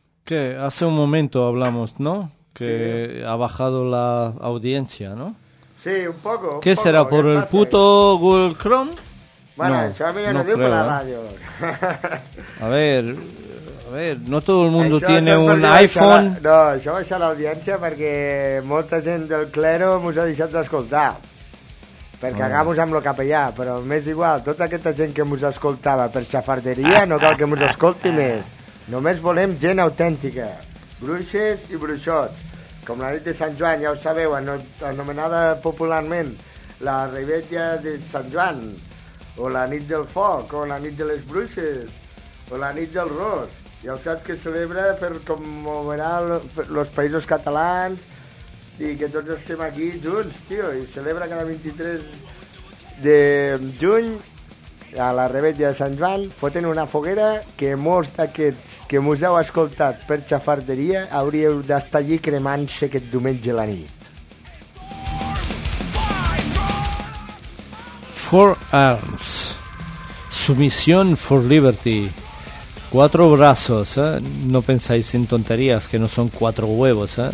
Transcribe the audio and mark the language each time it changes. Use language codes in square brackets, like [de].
[es] Que hace un momento hablamos, ¿no? Que sí, ha bajado la audiencia, ¿no? Sí, un poco. Un ¿Qué poco, será? ¿Por el puto Google Chrome? Bueno, no, eso a mí ya no lo digo creo, por la radio. A ver, no todo el mundo tiene un iPhone. [ca] No, això va ser l'audiència perquè molta gent del clero ens ha deixat d'escoltar. Perquè acabamos amb lo capellà, però més igual, tota aquesta gent que ens escoltava per xafarderia no cal que ens escolti més. Només volem gent autèntica, bruixes i bruixots. Com la nit de Sant Joan, ja ho sabeu, anomenada popularment la revetlla de Sant Joan, o la nit del foc, o la nit de les bruixes, o la nit del ros. Ja ho saps que celebra per commemorar els països catalans i que tots estem aquí junts, tio, i celebra cada 23 de juny a la revetlla de Sant Joan, foten una foguera que molts d'aquests que us heu escoltat per xafarderia hauríeu d'estar allí cremant-se aquest diumenge a la nit. [en] Four arms. Submission for liberty. [es] Cuatro brazos, ¿eh? No pensáis en tonterías, que no son cuatro huevos, ¿eh?